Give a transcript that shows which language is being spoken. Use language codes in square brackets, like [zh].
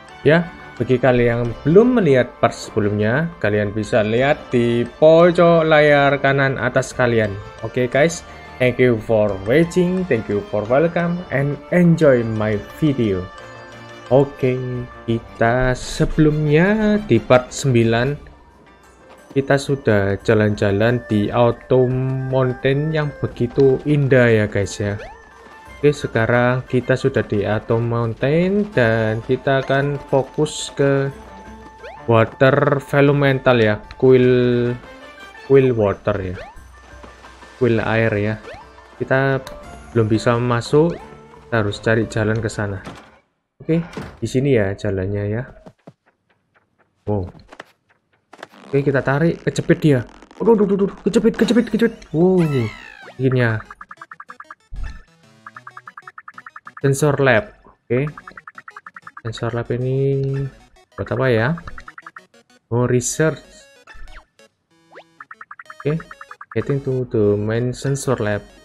[id] Ya, bagi kalian yang belum melihat part sebelumnya, kalian bisa lihat di pojok layar kanan atas kalian. [en] Oke guys, thank you for watching, thank you for welcome, and enjoy my video. [id] Oke, kita sebelumnya di part 9 kita sudah jalan-jalan di Autumn Mountain yang begitu indah ya guys ya. Oke, sekarang kita sudah di Autumn Mountain dan kita akan fokus ke Water Elemental ya, kuil water ya, kuil air ya. Kita belum bisa masuk, kita harus cari jalan ke sana. Oke, di sini ya jalannya ya. Wow. Oke, kita tarik, kejepit dia. Aduh, kejepit. Wow, akhirnya. [en] Sensor lab. Oke. [id] Sensor lab ini buat apa ya? [en] Oh, research. Oke, getting to the main sensor lab.